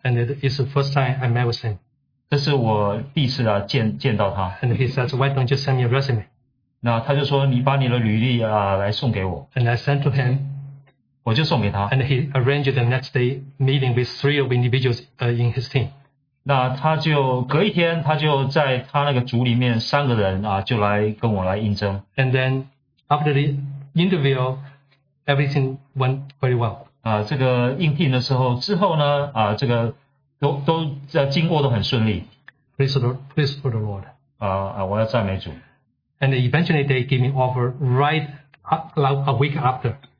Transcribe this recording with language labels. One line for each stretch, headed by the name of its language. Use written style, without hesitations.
English: And it's the first time I met with him.
Chinese: 这是我第一次见到他。
English: And he says, why don't you send me a resume?
Chinese: 那他就说，你把你的履历来送给我。
English: And I sent to him.
Chinese: 我就送给他。
English: And he arranged the next day meeting with three of individuals in his team.
Chinese: 那他就隔一天，他就在他那个组里面三个人就来跟我来应征。
English: And then after the interview, everything went very well.
Chinese: 这个应聘的时候，之后呢，这个经过都很顺利。
English: Praise for the Lord.
Chinese: 我要赞美主。
English: And eventually they gave me offer right a week after.